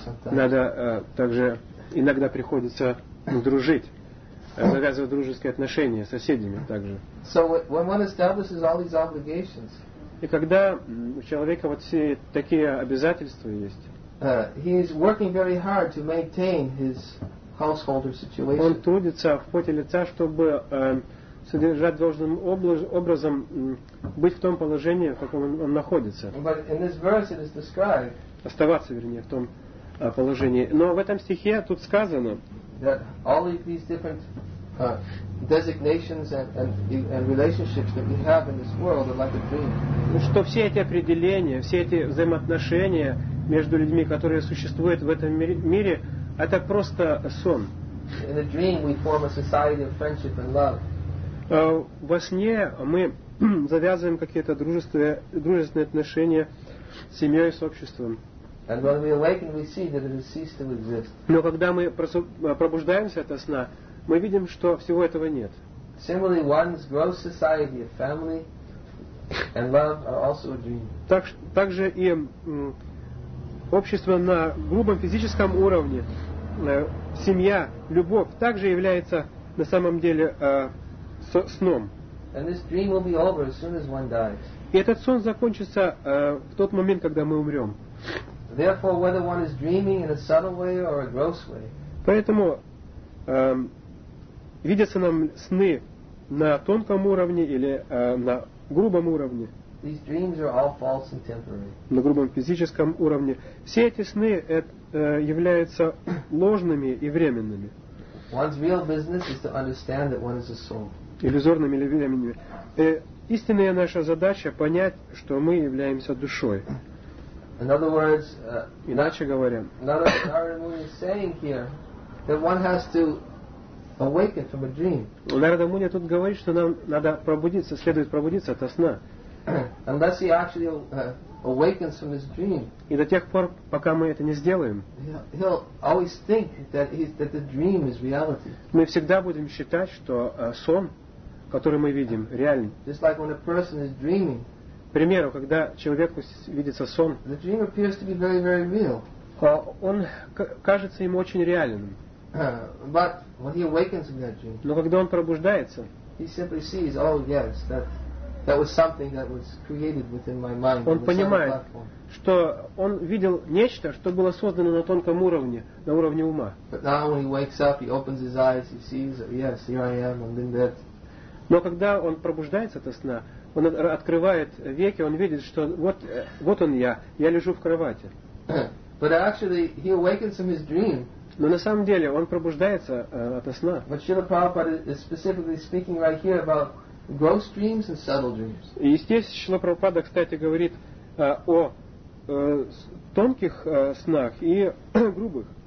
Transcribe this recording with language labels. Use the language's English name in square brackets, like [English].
[Russian] Надо также иногда приходится дружить, завязывать дружеские отношения с соседями также. [English] So when one establishes all these obligations, [Russian] и когда у человека вот все такие обязательства есть, [English] he is working very hard to maintain his householder situation. [Russian] Он трудится в поте лица, чтобы содержать должным образом быть в том положении, в каком он находится. [English] But in this verse it is described. [Russian] Оставаться, вернее, в том положении. Но в этом стихе тут сказано. [English] That all of these different designations and relationships that we have in this world are like a dream. [Russian] Что все эти определения, все эти взаимоотношения между людьми, которые существуют в этом мире, это просто сон. [English] In a dream we form a society of friendship and love. [Russian] Во сне мы завязываем какие-то дружественные отношения с семьей, с обществом. [English] And when we awaken, we see that it has ceased to exist. [Russian] Но когда мы пробуждаемся от сна, мы видим, что всего этого нет. [English] Similarly, one's gross society of family and love are also a dream. [Russian] Также и общество на грубом физическом уровне, семья, любовь, также является на самом деле сном. [English] And this dream will be over as soon as one dies. [Russian] И этот сон закончится в тот момент, когда мы умрем. [English] Therefore, whether one is dreaming in a subtle way or a gross way, [Russian] поэтому видятся нам сны на тонком уровне или на грубом уровне, [English] These dreams are all false and temporary. [Russian] На грубом физическом уровне все эти сны являются ложными и временными. [English] One's real business is to understand that one is a soul. [Russian] Иллюзорными или временными. Истинная наша задача понять, что мы являемся душой. [English] In other words, [Russian] иначе говоря, [English] Narada Muni is saying here that one has to awaken from a dream. [Russian] Narada Muni тут говорит, что нам надо пробудиться, следует пробудиться от сна. [English] Unless he actually awakens from his dream. [Russian] И до тех пор, пока мы это не сделаем, [English] he'll always think that that the dream is reality. [Russian] Мы всегда будем считать, что сон, который мы видим, реален. [English] Just like when a person is dreaming. [Russian] К примеру, когда человеку видится сон, [English] the dream appears to be very, very real. [Russian] Он кажется ему очень реальным. [English] But when he awakens in that dream, [Russian] но когда он пробуждается, [English] he simply sees, oh yes, that was something that was created within my mind. [Russian] Он понимает, что он видел нечто, что было создано на тонком уровне, на уровне ума. [English] But now when he wakes up, he opens his eyes, he sees, yes, here I am, I'm in bed. [Russian] Но когда он пробуждается от сна, он открывает веки, он видит, что вот он я лежу в кровати. [English] But actually, he awakens from his dream. [Russian] Но на самом деле он пробуждается от сна. [English] But Srila Prabhupada is specifically speaking right here about gross dreams and subtle dreams. [Russian] И здесь Шрила Прабхупада, кстати, говорит о тонких снах и грубых.